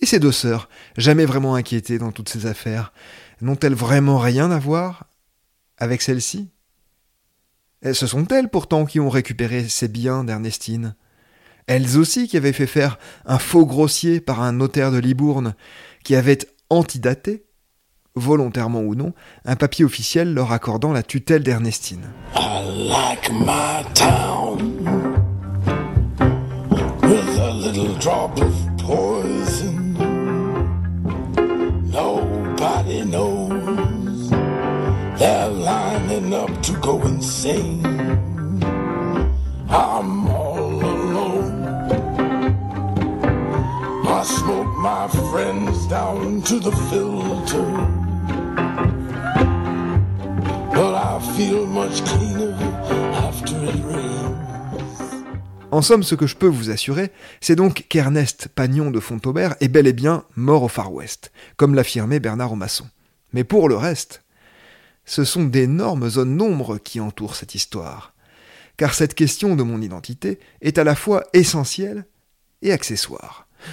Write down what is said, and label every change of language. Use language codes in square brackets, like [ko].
[fr] Et ses deux sœurs, jamais vraiment inquiétées dans toutes ces affaires, n'ont-elles vraiment rien à voir avec celles-ci ? Ce sont elles pourtant qui ont récupéré ces biens d'Ernestine. Elles aussi qui avaient fait faire un faux grossier par un notaire de Libourne, qui avait antidaté, volontairement ou non, un papier officiel leur accordant la tutelle d'Ernestine. [en] I like my town with a little drop of poison. Nobody knows they're lining up to go insane. I'm all alone. I smoke my friends down to the filter, but I feel much cleaner after it rains. [fr] En somme, ce que je peux vous assurer, c'est donc qu'Ernest Pagnon de Fontaubert est bel et bien mort au Far West, comme l'affirmait Bernard Aumasson. Mais pour le reste, ce sont d'énormes zones d'ombre qui entourent cette histoire. Car cette question de mon identité est à la fois essentielle et accessoire.